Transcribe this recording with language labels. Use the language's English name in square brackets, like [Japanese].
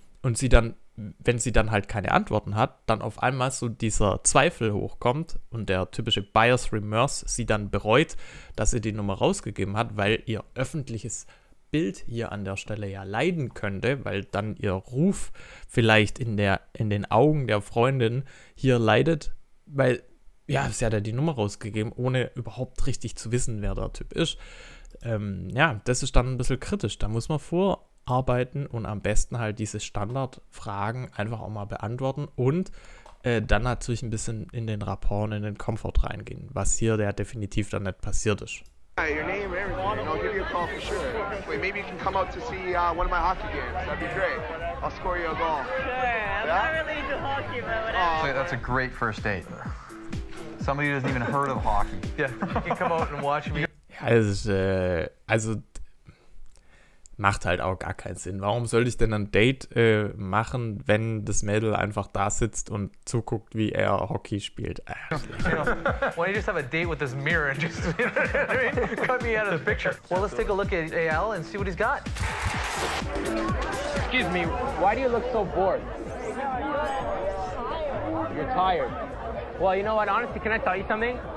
[German] und sie dann, wenn sie dann halt keine Antworten hat, dann auf einmal so dieser Zweifel hochkommt und der typische Buyer's Remorse sie dann bereut, dass sie die Nummer rausgegeben hat, weil ihr öffentliches Bild hier an der Stelle ja leiden könnte, weil dann ihr Ruf vielleicht in den Augen der Freundin hier leidet, weil, ja, sie hat ja die Nummer rausgegeben, ohne überhaupt richtig zu wissen, wer der Typ ist. Ja, das ist dann ein bisschen kritisch, da muss man vor arbeiten und am besten halt diese Standardfragen einfach auch mal beantworten und dann natürlich ein bisschen in den Rapport, in den Komfort reingehen, was hier ja definitiv dann nicht passiert ist. [English] Hi, your name, everything, and I'll give you a call for sure. Wait, maybe you can come out to see one of my hockey games. That'd be great. I'll score you a goal. Sure, yeah? I'm not really into hockey, but whatever. So that's a great first date. Somebody who hasn't even heard of hockey. Yeah, you can come out and watch me. [German] Also macht halt auch gar keinen Sinn. Warum sollte ich denn ein Date machen, wenn das Mädel einfach da sitzt und zuguckt, wie er Hockey spielt? [English] Why don't you just have a date with this mirror and just, you know what I mean? Cut me out of the picture. Well, let's take a look at AL and see what he's got. Excuse me, why do you look so bored? You're tired. Well, you know what, honestly, can I tell you something?